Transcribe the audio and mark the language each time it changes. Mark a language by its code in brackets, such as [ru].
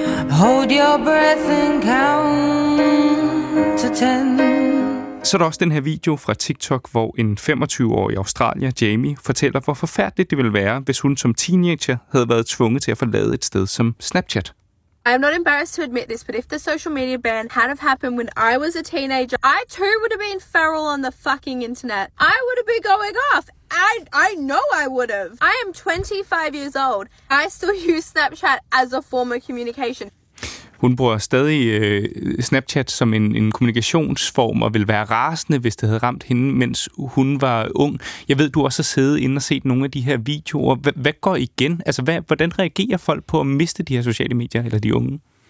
[en] Hold your breath and count to 10. [da] Så er der også den her video fra TikTok, hvor en 25-årig australier, Jamie, fortæller, hvor forfærdeligt det ville være, hvis hun som teenager havde været tvunget til at forlade et sted som Snapchat. [en] I am not embarrassed to admit this, but if the social media ban had have happened when I was a teenager, I too would have been feral on the fucking internet. I would have been going off. I know I would have. I am 25 years old. I still use Snapchat as a form of communication. [da] Hun bruger stadig Snapchat som en kommunikationsform og ville være rasende, hvis det havde ramt hende, mens hun var ung. Jeg ved, du også har siddet inde og set nogle af de her videoer. Hvad går igen? Altså, hvordan reagerer folk på at miste de her sociale medier eller de unge?